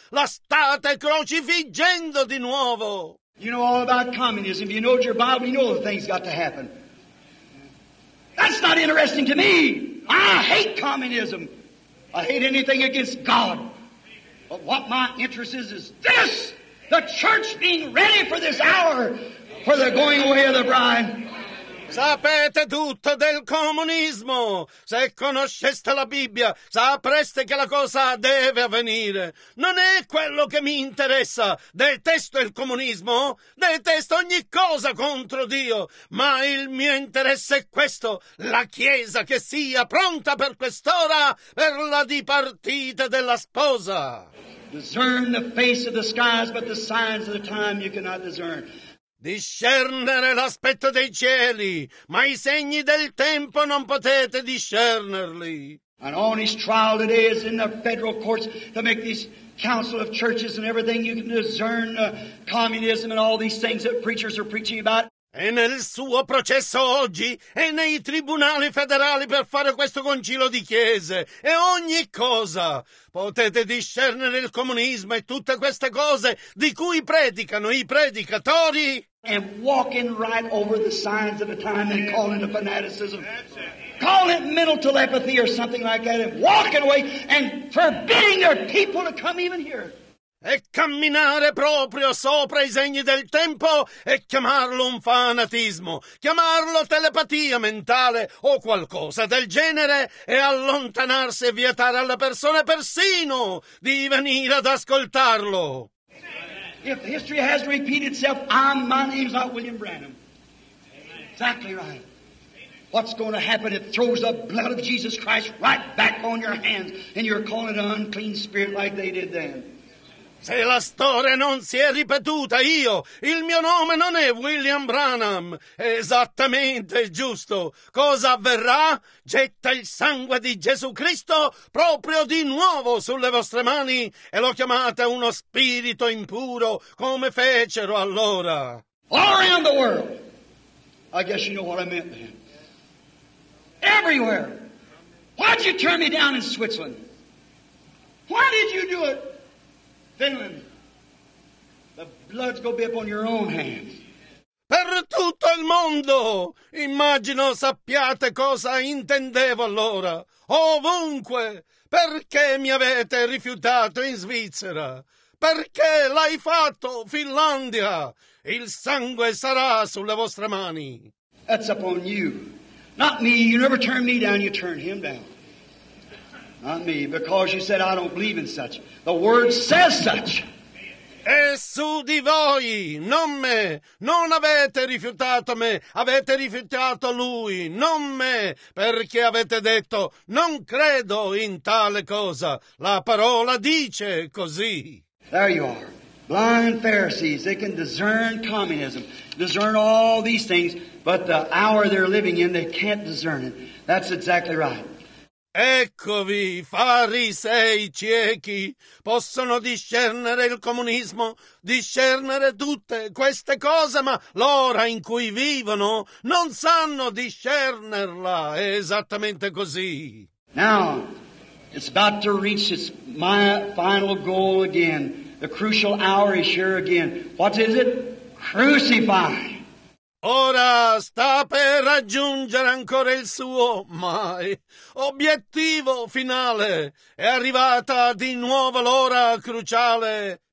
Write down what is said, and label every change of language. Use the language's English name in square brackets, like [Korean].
[Italian] La state crocifiggendo di nuovo. [English] You know all about communism, you know your Bible, you know the things got to happen. That's not interesting to me. I hate communism. I hate anything against God. But what my interest is this, the church being ready for this hour, for the going away of the bride. [Italian] Sapete tutto del comunismo. Se conosceste la Bibbia, sapreste che la cosa deve avvenire. Non è quello che mi interessa. Detesto il comunismo. Detesto ogni cosa contro Dio. Ma il mio interesse è questo. La Chiesa che sia pronta per quest'ora per la dipartita della sposa. [English] Discern the face of the skies, but the signs of the time you cannot discern. [Italian] Discernere l'aspetto dei cieli, ma i segni del tempo non potete discernerli. [English] An honest trial today is in the federal courts to make this council of churches and everything. You can discern communism and all these things that preachers are preaching about. [Italian] E nel suo processo oggi, e nei tribunali federali per fare questo concilio di chiese, e ogni cosa, potete discernere il comunismo e tutte queste cose di cui predicano i predicatori. [English] And walking right over the signs of the time and calling it fanaticism. Call it mental telepathy or something like that. And walking away and forbidding their people to come even here. [Italian] E camminare proprio sopra i segni del tempo e chiamarlo un fanatismo, chiamarlo telepatia mentale o qualcosa del genere e allontanarsi e vietare alle persone persino di venire ad ascoltarlo. [English] If history has repeated itself, my name's not William Branham. Exactly right. What's going to happen? It throws the blood of Jesus Christ right back on your hands and you're calling an unclean spirit like they did then. [Italian] Se la storia non si è ripetuta, io, il mio nome non è William Branham. Esattamente, giusto. Cosa avverrà? Getta il sangue di Gesù Cristo proprio di nuovo sulle vostre mani e lo chiamate uno spirito impuro, come fecero allora. [English] All around the world. I guess you know what I meant then. Everywhere. Why'd you turn me down in Switzerland? Why did you do it? Finland, the blood's gonna be up on your own hands. [Italian] Per tutto il mondo! Immagino sappiate cosa intendevo allora. Ovunque! Perché mi avete rifiutato in Svizzera? Perché l'hai fatto, Finlandia? Il sangue sarà sulle vostre mani. [English] That's upon you. Not me. You never turn me down, you turn him down. Not me, because you said I don't believe in such. The word says such. [Italian] Es su di voi, non me. Non avete rifiutato me, avete rifiutato lui, non me, perché avete detto: non credo in tale cosa. La parola dice così. [English] There you are. Blind Pharisees, they can discern communism, discern all these things, but the hour they're living in, they can't discern it. That's exactly right. [Italian] Eccovi, farisei ciechi, possono discernere il comunismo, discernere tutte queste cose, ma l'ora in cui vivono non sanno discernerla. È esattamente così. [English] Now, it's about to reach its final goal again. The crucial hour is here again. What is it? Crucify! [Italian] Ora sta per raggiungere ancora il suo, mai, obiettivo finale. È arrivata di nuovo l'ora cruciale.